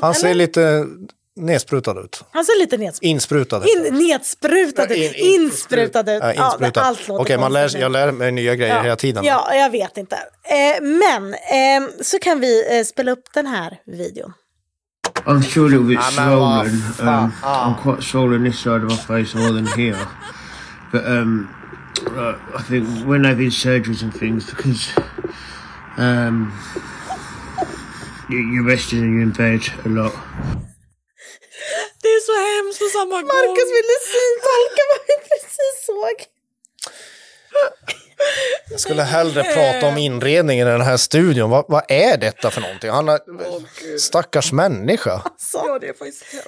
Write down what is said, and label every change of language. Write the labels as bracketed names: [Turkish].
[Swedish] Han ser lite nedsprutad ut. Han ser lite nedsprutad. Insprutad. Nedsprutad ut. Insprutad ut. Insprutad. Ja, allt låter okej, man lär, jag lär mig nya grejer hela tiden. Ja, jag vet inte. Men så kan vi spela upp den här videon. [English] I'm sure it was swollen. I'm quite swollen this side of my face more than here. But I think when I've been surgeries and things, because you're resting and you're in bed a lot. [Swedish] Det är så hemskt på samma gång. Marcus ville syntolka vad jag precis såg. Jag skulle hellre prata om inredningen i den här studion. Vad är detta för någonting? Han är stackars människa. Alltså, ja, det är faktiskt hemskt.